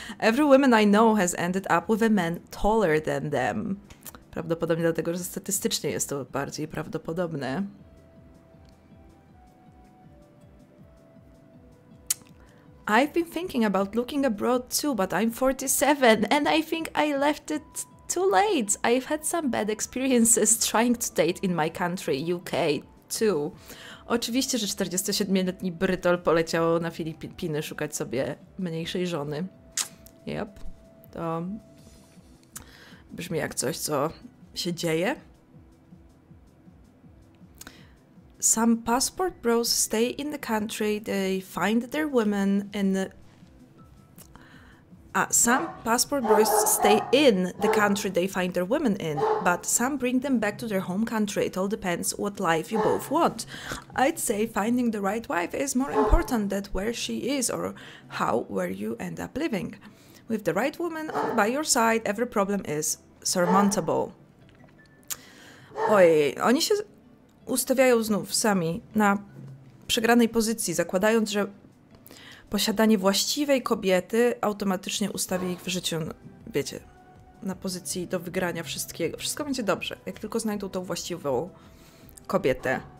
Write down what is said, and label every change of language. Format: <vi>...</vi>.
<en>Every woman I know has ended up with a man taller than them.</en> <pl>Prawdopodobnie dlatego, że statystycznie jest to bardziej prawdopodobne.</pl> <en>I've been thinking about looking abroad too, but I'm 47 and I think I left it too late. I've had some bad experiences trying to date in my country, UK too.</en> <pl>Oczywiście, że 47-letni Brytol poleciał na Filipiny szukać sobie mniejszej żony. Yep. To brzmi jak coś, co się dzieje.</pl> <en>Some passport bros stay in the country, they find their women in the... some passport bros stay in the country they find their women in, but some bring them back to their home country. It all depends what life you both want. I'd say finding the right wife is more important than where she is or how, where you end up living. With the right woman on by your side, every problem is surmountable.</en> <pl>Oj, oni się... ustawiają znów sami na przegranej pozycji, zakładając, że posiadanie właściwej kobiety automatycznie ustawi ich w życiu, wiecie, na pozycji do wygrania wszystkiego. Wszystko będzie dobrze, jak tylko znajdą tą właściwą kobietę.</pl>